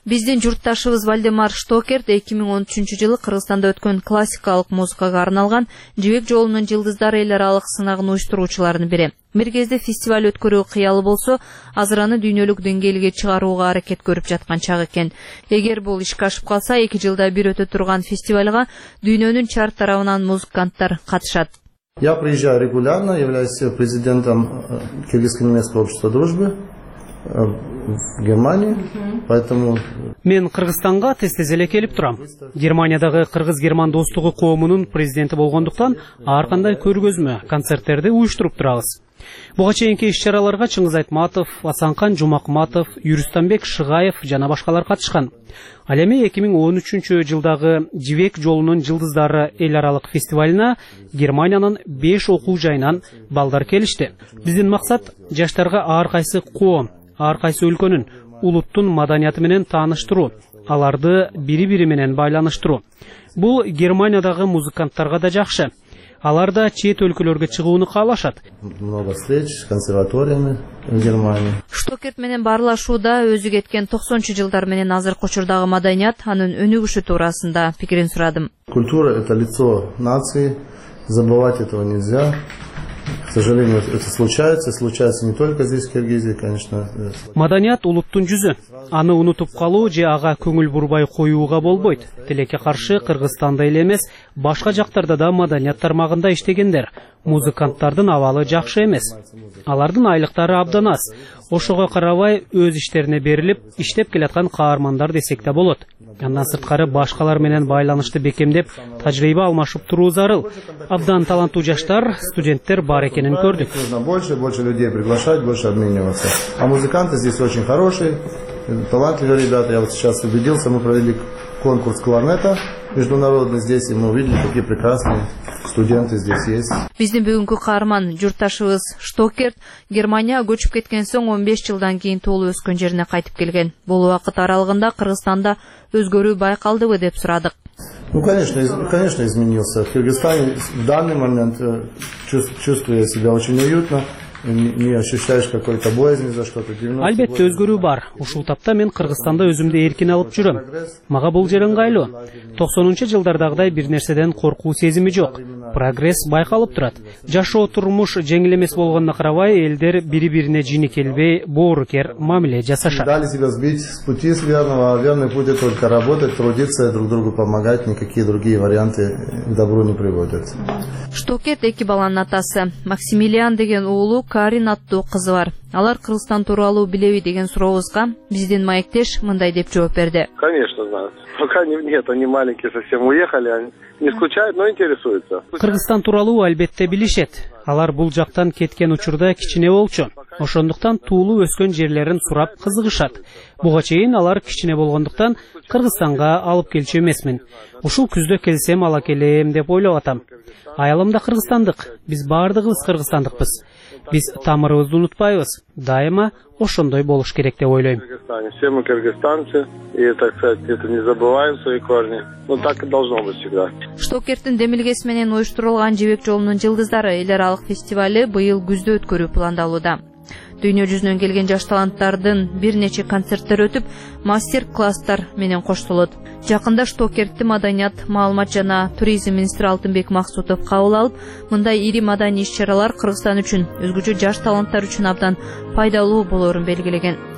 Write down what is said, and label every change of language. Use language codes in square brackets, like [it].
[ky] Биздин журтташыбыз Вальдемар Штокерт 2013 жылы Кыргызстанда өткөн классикалык музыкага арналган Жибек жолунун жылдыздар эл аралык сынагын уюштуруучуларынын бири. Мергезде фестиваль өткөрүү кыялы болсо, азыр аны дүйнөлүк деңгээлге чыгарууга аракет көрүп жаткан чагы экен. Эгер бул ишке ашып калса, 2 жылда бир өтө турган фестивалга дүйнөнүн чар тарабынан музыканттар катышат. [ru] Я приезжаю регулярно, являюсь президентом Киргизского общества дружбы. Германия, поэтому... [ky] Мен Кыргызстанга тез-тез эле келип турам. Германиядагы кыргыз-герман достугу коомунун президенти болгондуктан ар кандай көргөзмө, концерттерди уюштуруп турабыз. Буга чейинки иш-чараларга Чыңгыз Айтматов, Асанкан Жумакматов, Юрустанбек Шыгаев жана башкалар катышкан. Ал эми 2013 жылдагы Жибек жолунун жылдыздары эл аралык фестивалына Германиянын 5 окуу жайынан балдар келишти. Биздин максат жаштарга ар кайсы коом, ар кайсы өлкөнүн улуттун маданияты менен тааныштыруу, аларды бири-бири менен байланыштыруу. Бул Германиядагы музыканттарга да жакшы. Алар да чет өлкөлөргө чыгууну каалашат. [ru] Много встреч с консерваториями в Германии. [ky] Штокерт менен баарлашууда өзү кеткен 90-чу жылдар менен азыркы учурдагы маданият, анын өнүгүшү туурасында пикирин сурадым. [ru] Культура — это лицо нации. Забывать этого нельзя. К сожалению, это случается. Случается не только здесь, в Киргизии, конечно. [ky] Маданият — улуттун жүзү. Аны унутуп калуу же ага көңүл бурбай коюуга болбойт. Тилекке каршы Кыргызстанда эле эмес, башка жактарда да маданият тармагында иштегендер, музыканттардын абалы жакшы эмес. Алардын айлыктары абдан аз. Ошого карабай өз иштерине берилип, иштеп келаткан каармандар десек да болот. Андан сырткары башкалар менен байланышты бекемдеп, тажрыйба алмашып туруу зарыл. Абдан таланттуу жаштар, студенттер бар экенин көрдүк. [ru] Больше людей приглашать, больше обмениваться. А музыканты здесь очень хорошие. Талантливые ребята, я вот сейчас убедился, мы провели конкурс кларнета международный здесь, и мы увидели, какие прекрасные студенты здесь есть. [ky] Биздин бүгүнкү каарман, журташыбыз Штокерт, Германия көчүп кеткен соң 15 жылдан кийин туулуп өскөн жерине кайтып келген. Бул убакыт аралыгында Кыргызстанда өзгөрүү байкалдыбы деп сурадык. [ru] Ну, конечно, изменился. В Кыргызстане в данный момент чувствую себя очень уютно. Не ощущаешь какой-то боязни за что-то. [ky] Албетте өзгөрүү бар. Ушул тапта мен Кыргызстанда өзүмдү эркин алып жүрөм. Мага бул жер ыңгайлуу. 90-чу жылдардагыдай бир нерседен коркуу сезими жок. Прогресс байкалып турат. Жашоо турмуш жеңил эмес болгонуна карабай, элдер бири-бирине жини келбей, боорукер мамиле жасашат. [ru] Дали себя сбить с пути с верного, а верный путь только работать, трудиться, друг другу помогать, никакие другие варианты к добру не приводят. [ky] Штокет эки баланын атасы. Максимилиан деген уулу, Карин аттуу кызы бар. Алар Кыргызстан тууралуу билеби деген сурообузга биздин маектеш мындай деп жооп берди. [ru] Конечно, знают. Пока нет, они маленькие совсем уехали, они не скучают, но интересуются. [ky] Кыргызстан тууралуу албетте билишет. Алар бул жактан кеткен учурда кичине болчу. Ошондуктан туулуп өскөн жерлерин сурап кызыгышат. Буга чейин алар кичине болгондуктан Кыргызстанга алып келчү эмесмин. Ушул күздө келсем ала келем деп ойлоп атам. Айылым да кыргызстандык. Биз баардыгыбыз кыргызстандыкпыз. Биз тамырыбызды унутпайбыз. Дайыма ошондой болуш керек деп ойлойм. [ru] Все мы кыргызстанцы, и так сказать, это не забываем свои корни. Ну так и должно быть всегда. [ky] Штокерттин демилгеси менен уюштурулган Жибек жолунун жылдыздары эл аралык фестивали быйыл күздө өткөрүү пландалууда. Дүйнө жүзүнөн келген жаш таланттардын бир нече концерттер өтүп, мастер-класстар менен коштолот. Жакында Штокертти маданият, маалымат жана туризм министри Алтынбек Максутов кабыл алып, мындай ири маданий иш-чаралар Кыргызстан үчүн, өзгөчө жаш таланттар үчүн абдан пайдалуу болорун белгилеген.